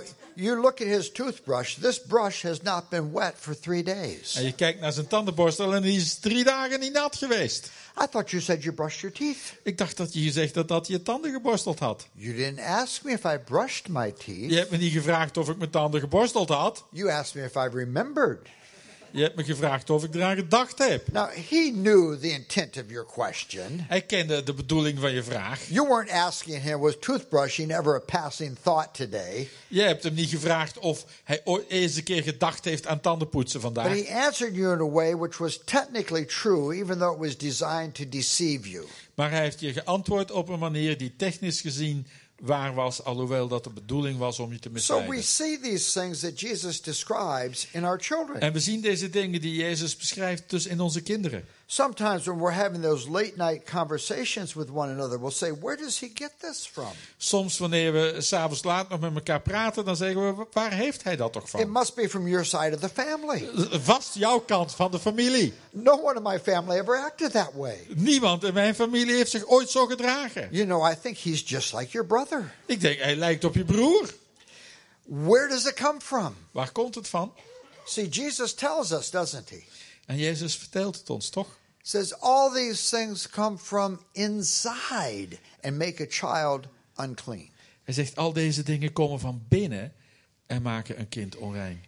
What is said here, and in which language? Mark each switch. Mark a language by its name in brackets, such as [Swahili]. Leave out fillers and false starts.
[English] Now you look at his toothbrush. This brush has not been wet for 3 days. [Dutch] En je kijkt naar zijn tandenborstel en die is 3 dagen niet nat geweest. [English] I thought you said you brushed your teeth. [Dutch] Ik dacht dat je gezegd dat je tanden geborsteld had. [English] You didn't ask me if I brushed my teeth. [Dutch] Je hebt me niet gevraagd of ik mijn tanden geborsteld had. [English] You asked me if I remembered. [Dutch] Je hebt me gevraagd of ik eraan gedacht heb. [English] Now, he knew the intent of your question. [Dutch] Hij kende de bedoeling van je vraag. [English] You weren't asking him, was toothbrushing ever a passing thought today? [Dutch] Je hebt hem niet gevraagd of hij ooit eens een keer gedacht heeft aan tandenpoetsen vandaag. [English] But he answered you in a way which was technically true, even though it was designed to deceive you. [Dutch] Maar hij heeft je geantwoord op een manier die technisch gezien waar was, alhoewel dat de bedoeling was om je te misleiden. [English] So we see these things that Jesus describes in our children. [Dutch] En we zien deze dingen die Jezus beschrijft dus in onze kinderen. [English] Sometimes when we're having those late night conversations with one another, we'll say, where does he get this from? [Dutch] Soms wanneer we 's avonds laat nog met elkaar praten, dan zeggen we, waar heeft hij dat toch van? [English] It must be from your side of the family. [Dutch] Vast jouw kant van de familie. [English] No one in my family ever acted that way. [Dutch] Niemand in mijn familie heeft zich ooit zo gedragen. [English] You know, I think he's just like your brother. [Dutch] Ik denk, hij lijkt op je broer. [English] Where does it come from? [Dutch] Waar komt het van? [English] See, Jesus tells us, doesn't he? [Dutch] En Jezus vertelt het ons toch? [English] Says all these things come from inside and make a child unclean. [Dutch] Hij zegt al deze dingen komen van binnen en maken een kind onrein.